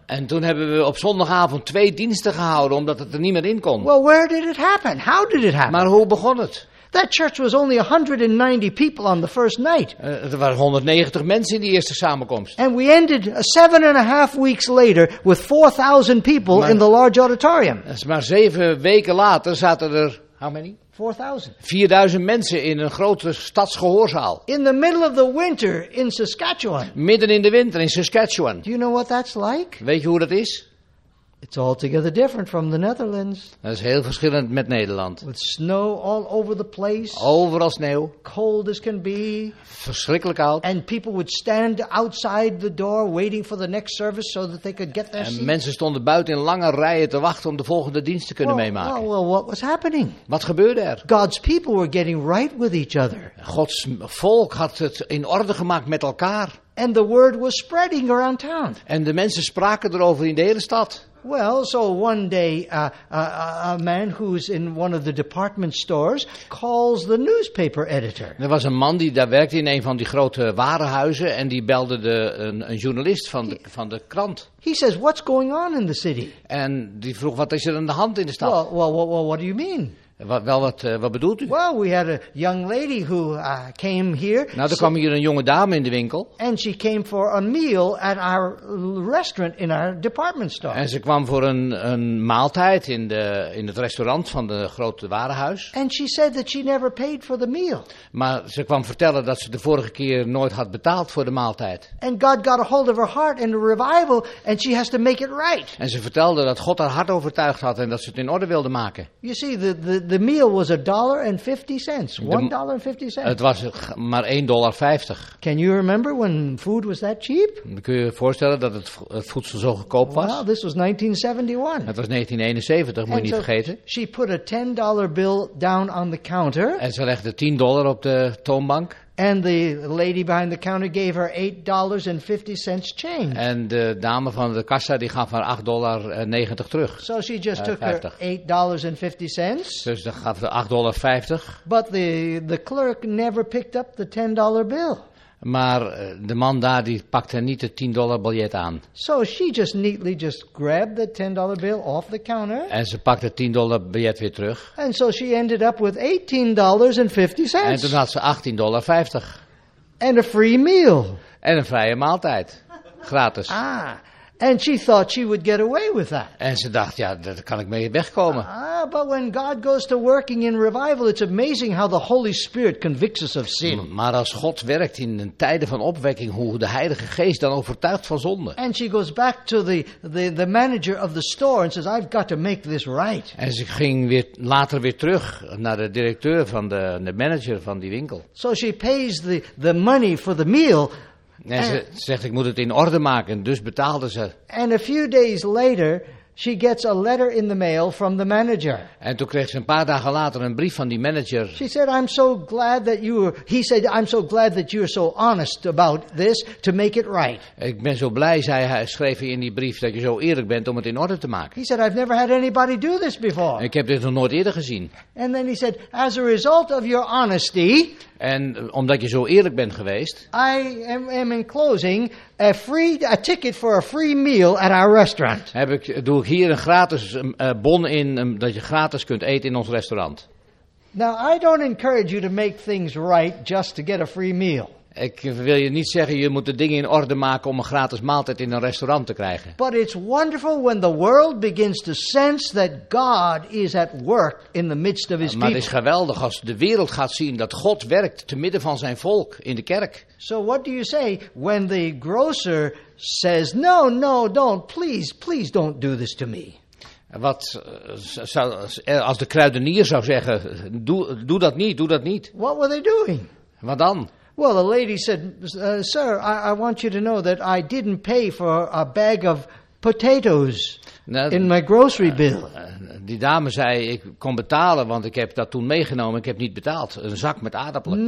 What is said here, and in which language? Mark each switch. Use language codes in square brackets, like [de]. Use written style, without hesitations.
[nl] En toen hebben we op zondagavond twee diensten gehouden omdat het er niet meer in kon. [en] Well, where did it happen? How did it happen? [nl] Maar hoe begon het? [en] That church was only 190 people on the first night. [nl] Er waren 190 mensen in die eerste samenkomst. [en] And we ended 7.5 weeks later with 4,000 people in the large auditorium. [nl] Maar 7 weken later zaten er, [en] how many? [nl] 4,000 mensen in een grote stadsgehoorzaal. [en] In the middle of the winter in Saskatchewan. [nl] Midden in de winter in Saskatchewan. [en] Do you know what that's like? [nl] Weet je hoe dat is? [en] It's altogether different from the Netherlands. [nl] Dat is heel verschillend met Nederland. [en] With snow all over the place. [nl] Overal sneeuw. [en] Cold as can be. [nl] Verschrikkelijk koud. [en] And people would stand outside the door waiting for the next service so that they could get their seat. [nl] En mensen stonden buiten in lange rijen te wachten om de volgende dienst te kunnen meemaken. [en] Well, what was happening? [nl] Wat gebeurde er? [en] God's people were getting right with each other. [nl] Gods volk had het in orde gemaakt met elkaar. [en] And the word was spreading around town. [nl] En de mensen spraken erover in de hele stad. [en] Well, so one day a man who's in one of the department stores calls the newspaper editor. [nl] Er was een man die daar werkte in een van die grote warenhuizen en die belde een journalist van de krant. [en] He says, "What's going on in the city?" [nl] En die vroeg, wat is er aan de hand in de stad? [en] Well, what do you mean? [nl] Wat bedoelt u? [en] Well, we had a young lady who came here. [nl] Nou, er kwam hier een jonge dame in de winkel. [en] And she came for a meal at our restaurant in our department store. [nl] En ze kwam voor een maaltijd in het restaurant van de grote warenhuis. [en] And she said that she never paid for the meal. [nl] Maar ze kwam vertellen dat ze de vorige keer nooit had betaald voor de maaltijd. [en] And God got a hold of her heart in a revival, and she has to make it right. [nl] En ze vertelde dat God haar hart overtuigd had en dat ze het in orde wilde maken. [en] You see, the meal was $1.50. $1.50. [nl] Het was maar $1.50. [en] Can you remember when food was that cheap? [nl] Kun je voorstellen dat het voedsel zo goedkoop was? [en] Well, this was 1971. [nl] Het was 1971, moet je niet vergeten. [en] She put a $10 bill down on the counter. [nl] En ze legde $10 op de toonbank. [en] And the lady behind the counter gave her $8.50 change. [nl] En de dame van de kassa die gaf haar $8.90 terug. [en] So she just took 50. Her $8.50. [nl] Dus ze gaf de $8.50. [en] But the clerk never picked up the $10 bill. [nl] Maar de man daar die pakte niet het $10 biljet aan. [en] So she just neatly just grabbed the $10 bill off the counter. [nl] En ze pakte het $10 biljet weer terug. [en] And so she ended up with $18.50. [nl] En toen had ze $18.50. [en] And a free meal. [nl] En een vrije maaltijd. Gratis. Ah. [en] And she thought she would get away with that. [nl] En ze dacht, ja, daar kan ik mee wegkomen. [en] But when God goes to working in revival, it's amazing how the Holy Spirit convicts us of sin. [nl] Maar als God werkt in tijden van opwekking, hoe de Heilige Geest dan overtuigt van zonde. [en] And she goes back to the manager of the store and says, I've got to make this right. [nl] En ze ging later weer terug naar de directeur van de manager van die winkel. [en] So she pays the money for the meal. [nl] Nee, ze zegt, ik moet het in orde maken, dus betaalde ze. [en] And a few days later, she gets a letter in the mail from the manager. [nl] En toen kreeg ze een paar dagen later een brief van die manager. [en] She said, I'm so glad that you were, he said, I'm so glad that you're so honest about this to make it right. [nl] Ik ben zo blij, zei hij, schreef hij in die brief, dat je zo eerlijk bent om het in orde te maken. [en] He said, I've never had anybody do this before. [nl] Ik heb dit nog nooit eerder gezien. [en] And then he said, as a result of your honesty. [nl] En omdat je zo eerlijk bent geweest. [en] I am enclosing a ticket for a free meal at our restaurant. [nl] Doe ik hier een gratis bon in dat je gratis kunt eten in ons restaurant. [en] Now I don't encourage you to make things right just to get a free meal. [nl] Ik wil je niet zeggen, je moet de dingen in orde maken om een gratis maaltijd in een restaurant te krijgen. [en] But it's wonderful when the world begins to sense that God is at work in the midst of his people. [nl] Maar het is geweldig als de wereld gaat zien dat God werkt te midden van zijn volk in de kerk. [en] So what do you say when the grocer says, no, don't, please don't do this to me. [nl] Wat als de kruidenier zou zeggen, doe dat niet. [en] What were they doing? [nl] Wat dan? [en] Well, the lady said, sir, I want you to know that I didn't pay for a bag of potatoes. in my grocery bill. [nl] Die dame zei, ik kon betalen, want ik heb dat toen meegenomen. Ik heb niet betaald. Een zak met aardappelen.